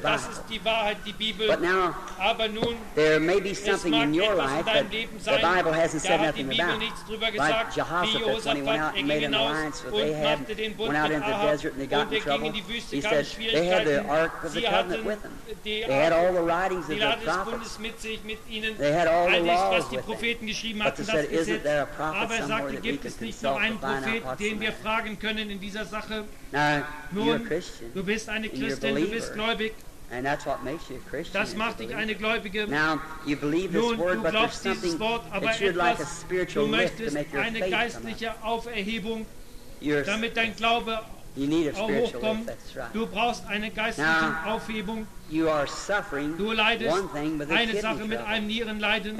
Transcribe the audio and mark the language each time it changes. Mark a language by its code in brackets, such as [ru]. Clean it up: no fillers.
[de] das ist die Wahrheit, die Bibel. [en] But now, [de] aber nun, [en] there may be something [de] es mag [en] in your [de] etwas [en] life [de] in deinem Leben sein, [en] the Bible hasn't [de] da [en] said [de] hat die Bibel nichts drüber gesagt, [en] like Jehoshaphat, [de] wie Jehoshaphat, [en] when he went out and made an alliance with Ahab, went out into the desert and they got in trouble. He said, they had the Ark of the Covenant with them. They had all the writings of the prophets. They had all the law with them. But they said, isn't there a prophet somewhere that we could consult to find out what's in [de] der Sache? [en] Now, you're a Christian. [de] Du bist eine Christin, [en] you're a believer. [de] Du bist gläubig. [en] And that's what makes you a Christian. [de] Das macht dich eine Gläubige. [en] Now, you believe this word, but there's something [de] Wort, [en] that you'd like a spiritual lift to make your [de] eine [en] faith [de] geistliche [en] come [de] Auferhebung, damit dein Glaube [en] you need a spiritual [de] hochkommt. [en] Lift, that's right. [de] Du brauchst eine geistliche [en] Now, [de] Aufhebung. [en] You are suffering [de] du leidest [en] one thing with [de] eine [en] a [de] Sache [en] trouble. [de] Mit einem Nierenleiden.